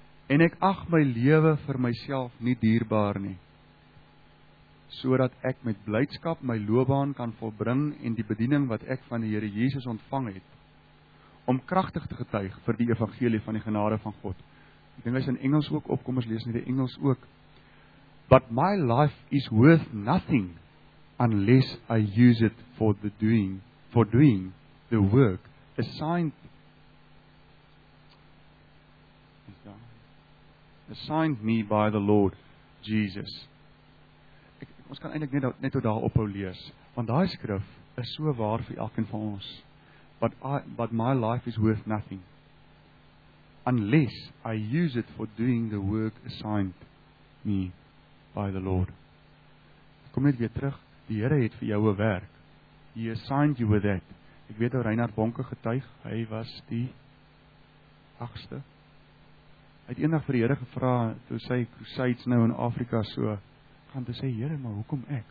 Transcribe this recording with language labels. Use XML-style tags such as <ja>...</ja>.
<af>En ek ag my lewe vir myself nie dierbaar nie. Sodat ek met blydskap my loopbaan kan volbring en die bediening wat ek van die Here Jesus ontvang het, om kragtig te getuig vir die evangelie van die genade van God. Ek dink as in Engels ook opkom, ons lees in die Engels ook.</af> <en>But my life is worth nothing unless I use it for doing the work assigned me by the Lord Jesus.</en> <af>Ons kan eintlik net tot daar ophou lees, want daai skrif is so waar vir elkeen van ons.</af> <en>But my life is worth nothing unless I use it for doing the work assigned me by the Lord.</en> <af>Kom net weer terug. Die Here het vir jou 'n werk.</af> <en>He assigned you with that.</en> <af>Ek weet ou Reinhard Bonke getuig, hy was die 8ste. Hy het eendag vir die Here gevra toe sy crusades nou in Afrika so gaan te sê, Here, maar hoekom ek?</af>